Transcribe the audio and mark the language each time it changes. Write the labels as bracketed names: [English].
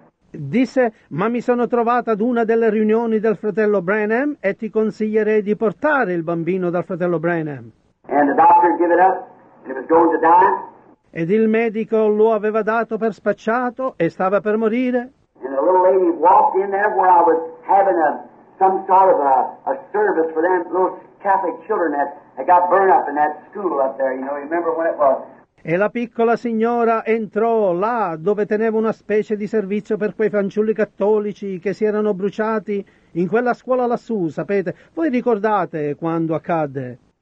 [Italian] Disse, ma mi sono trovata ad una delle riunioni del fratello Branham e ti consiglierei di portare il bambino dal fratello Branham. [English] And the doctor gave it up and it was going to die. [Italian] Ed il medico lo aveva dato per spacciato e stava per morire. [English] And the little lady walked in there where I was having some sort of a service for them little Catholic children that got burned up in that school up there, you know, you remember when it was. [Italian] E la piccola signora entrò là dove teneva una specie di servizio per quei fanciulli cattolici che si erano bruciati in quella scuola lassù, sapete? Voi ricordate quando accadde?